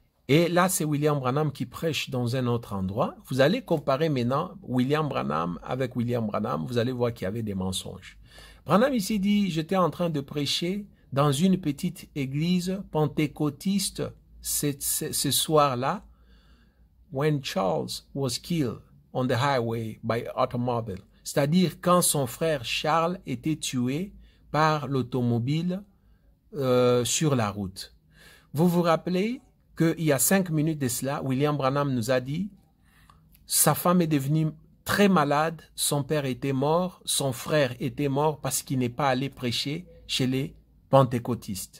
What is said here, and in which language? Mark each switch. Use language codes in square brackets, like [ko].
[fr] Et là, c'est William Branham qui prêche dans un autre endroit. Vous allez comparer maintenant William Branham avec William Branham. Vous allez voir qu'il y avait des mensonges. Branham ici dit, j'étais en train de prêcher dans une petite église pentecôtiste ce soir-là. [en] When Charles was killed on the highway by automobile. [fr] C'est-à-dire quand son frère Charles était tué par l'automobile sur la route. Vous vous rappelez qu'il y a 5 minutes de cela, William Branham nous a dit, sa femme est devenue très malade, son père était mort, son frère était mort parce qu'il n'est pas allé prêcher chez les pentecôtistes.